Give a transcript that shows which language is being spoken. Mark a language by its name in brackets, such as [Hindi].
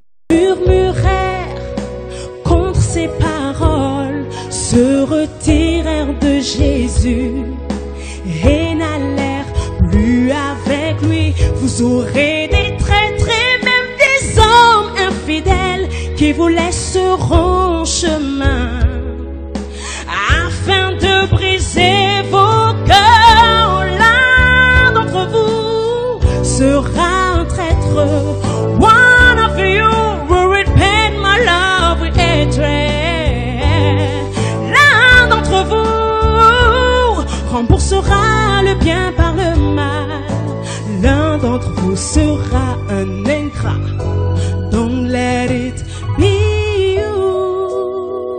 [French] Ils murmurèrent contre ces paroles, se retirèrent de Jésus et n'allèrent plus avec lui. Vous aurez des traîtres et même des hommes infidèles qui vous laisseront en chemin afin de briser vos cœurs. L'un d'entre vous sera un traître. [English] One of you will repent my love with hatred. [French] L'un d'entre vous remboursera le bien par le mal. L'un d'entre vous sera un ingrat. [English] Don't let it be you.